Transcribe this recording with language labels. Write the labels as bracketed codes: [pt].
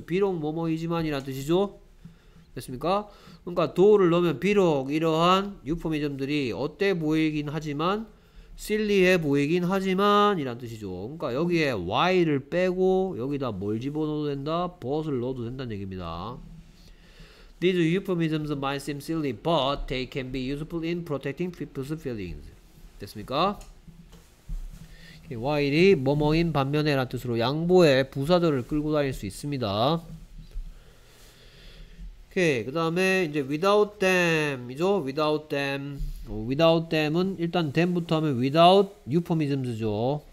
[ko] 비록 뭐뭐이지만이란 뜻이죠? 됐습니까? 그러니까 though를 넣으면 비록 이러한 유포미즘들이 어때 보이긴 하지만 실리해 보이긴 하지만 이란 뜻이죠. 그러니까 여기에 while을 빼고 여기다 뭘 집어넣어도 된다? but을 넣어도 된다는 얘기입니다. [en] These euphemisms might seem silly, but they can be useful in protecting people's feelings. [ko] 됐습니까? while이 뭐뭐인 반면에란 뜻으로 양보의 부사절을 끌고 다닐 수 있습니다. 오케이, 그 다음에 이제 [en] without them [ko] 이죠. without them, without them은 일단 them부터 하면 without euphemisms죠.